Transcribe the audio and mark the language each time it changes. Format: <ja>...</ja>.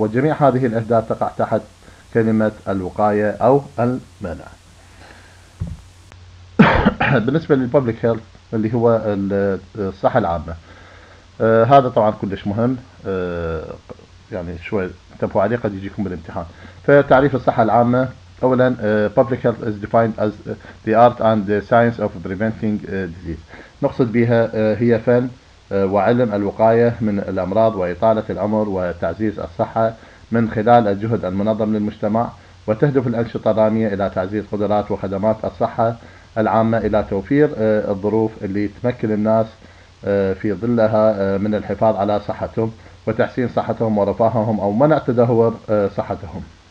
<ar>وجميع هذه الأهداف تقع تحت كلمة الوقاية أو المنع. بالنسبة للبوبليك هيلث اللي هو الصحة العامة، هذا طبعا كلش مهم، يعني شوي انتبهوا عليه قد يجيكم بالامتحان. فتعريف الصحة العامة، أولا</ar> <en>public health is defined as the art and the science of preventing disease.</en> <ar>نقصد بها هي فن وعلم الوقاية من الأمراض وإطالة العمر وتعزيز الصحة من خلال الجهد المنظم للمجتمع. وتهدف الأنشطة الرامية إلى تعزيز قدرات وخدمات الصحة العامة، إلى توفير الظروف اللي تمكن الناس في ظلها من الحفاظ على صحتهم وتحسين صحتهم ورفاههم أو منع تدهور صحتهم.</ar>